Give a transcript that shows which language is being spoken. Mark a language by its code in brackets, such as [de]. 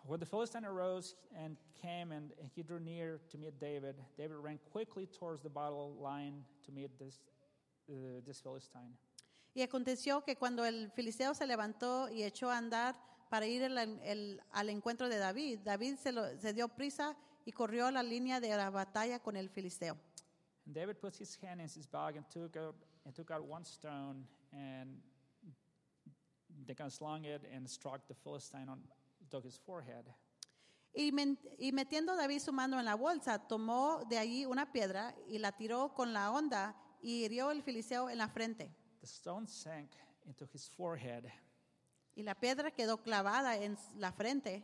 [en] When the Philistine arose and came and he drew near to meet David, David ran quickly towards the battle line to meet this Philistine. [es] Y aconteció que cuando el filisteo se levantó y echó a andar para ir al encuentro de David, David se dio prisa y corrió a la línea de la batalla con el filisteo. [en] And David put his hand in his bag and took out one stone and they kind of slung it and struck the Philistine on took his forehead. [es] Y metiendo David su mano en la bolsa, tomó de allí una piedra y la tiró con la honda y hirió al filisteo en la frente. [en] The stone sank into his forehead. [es] Y la piedra quedó clavada en la frente.